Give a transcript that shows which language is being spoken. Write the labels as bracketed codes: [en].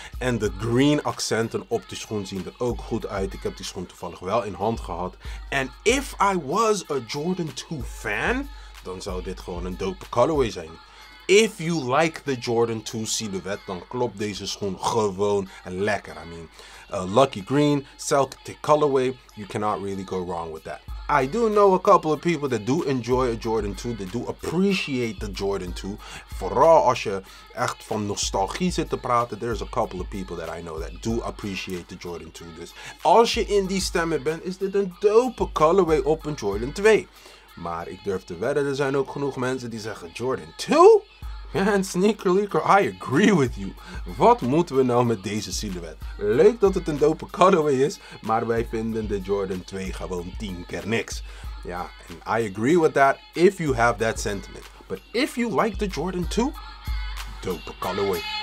[nl] En de green accenten op de schoen zien er ook goed uit. Ik heb die schoen toevallig wel in hand gehad. En [en] if I was a Jordan 2 fan, [nl] dan zou dit gewoon een dope colorway zijn. [en] If you like the Jordan 2 silhouette, [nl] dan klopt deze schoen gewoon lekker. [en] I mean, lucky green, Celtic colorway, you cannot really go wrong with that. I do know a couple of people that do enjoy a Jordan 2, that do appreciate the Jordan 2. [nl] Vooral als je echt van nostalgie zit te praten, [en] there's a couple of people that I know that do appreciate the Jordan 2. [nl] Dus als je in die stemmen bent, is dit een dope colorway op een Jordan 2. Maar ik durf te wedden, er zijn ook genoeg mensen die zeggen, Jordan 2? Man, sneaker leaker, [en] I agree with you. [nl] Wat moeten we nou met deze silhouet? Leuk dat het een dope colorway is, maar wij vinden de Jordan 2 gewoon 10 keer niks. [en] Ja, and I agree with that if you have that sentiment. But if you like the Jordan 2, dope colorway.